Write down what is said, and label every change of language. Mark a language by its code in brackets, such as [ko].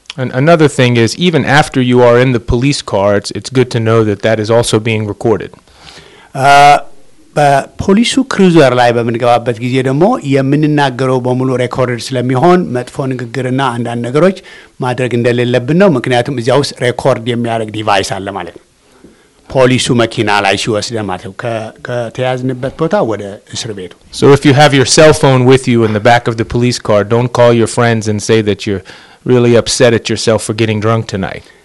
[en] And another thing is even after you are in the police car it's good to know that that is also being recorded. [am] በፖሊሱ ክሩዘር ላይ በመንገባበት ጊዜ ደግሞ የምንናገረው በሙሉ ሬኮርድድ ስለሚሆን መጥፎ ንግግርና አንዳንድ ነገሮች ማድረግ እንደሌለብን ነው ምክንያቱም እዚያውስ ሬኮርድ የሚያደርግ ዲቫይስ አለ ማለት ነው። ፖሊሱ መኪና ላይ ሲወስደን ማለት ነው ከተያዝንበት ቦታ ወደ እስር ቤቱ [en] So if you have your cell phone with you in the back of the police car don't call your friends and say that you're really upset at yourself for getting drunk tonight.